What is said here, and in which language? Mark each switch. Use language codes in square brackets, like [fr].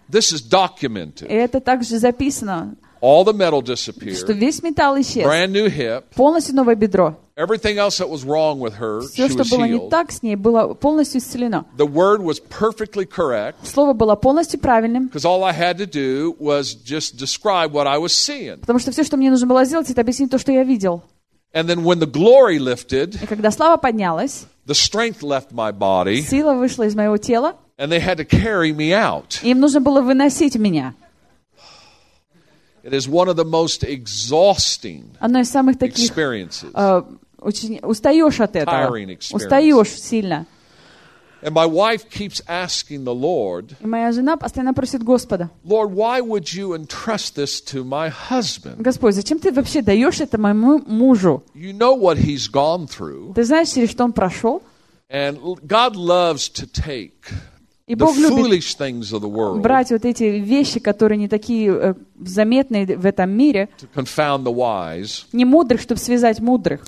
[en] This is documented. [ru] И это также записано. [en] All the metal disappeared. [ru] Что весь металл исчез. [en] Brand new hip. [ru] Полностью новое бедро. [en] Everything else that was wrong with her, [ru] Все, [en] she was healed. [ru] Все, что было не так с ней, было полностью исцелено. [en] The word was perfectly correct. [ru] Слово было полностью правильным. [en] Because all I had to do was just describe what I was seeing. [ru] Потому что все, что мне нужно было сделать, это объяснить то, что я видел. [en] And then when the glory lifted, [ru] и когда слава поднялась, [en] the strength left my body. [ru] Сила вышла из моего тела. [en] And they had to carry me out. [ru] Им нужно было выносить меня. [en] It is one of the most exhausting experiences. [ru] Устаешь сильно. [en] And my wife keeps asking the Lord. [ru] И моя жена постоянно просит Господа. [en] Lord, why would you entrust this to my husband? [ru] Господь, зачем ты вообще даешь это моему мужу? [en] You know what he's gone through. [ru] Ты знаешь, через что он прошел? [en] And God loves to take the foolish things of the world. [ru] Брать вот эти вещи, которые не такие заметны в этом мире. [en] To confound the wise. [ru] Не мудрых, чтобы связать мудрых.